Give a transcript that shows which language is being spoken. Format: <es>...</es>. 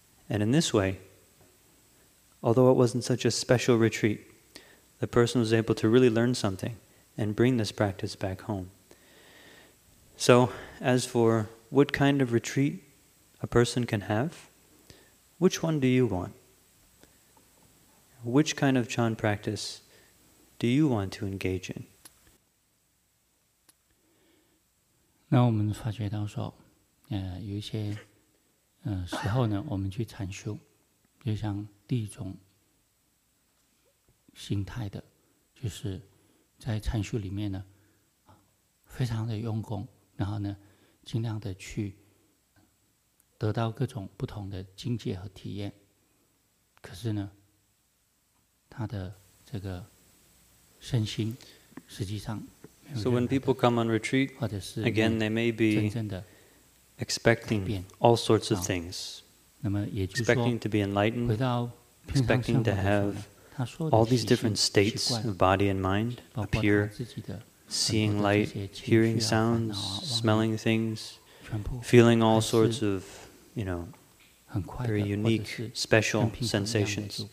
<en>And in this way, although it wasn't such a special retreat, the person was able to really learn something and bring this practice back home. So, as for what kind of retreat a person can have, which one do you want? Which kind of Chan practice do you want to engage in?</en> <zh>那我们发觉到说，有一些时候呢，我们去禅修，就像第一种心态的，就是在禅修里面呢非常的用功，然后呢尽量的去得到各种不同的境界和体验，可是呢他的这个身心实际上没有。</zh> <en>So when people come on retreat, again they may be expecting all sorts of things, expecting to be enlightened, expecting to have all these different states of body and mind appear, seeing light, hearing sounds, smelling things, feeling all sorts of, you know, very unique, special sensations.</en>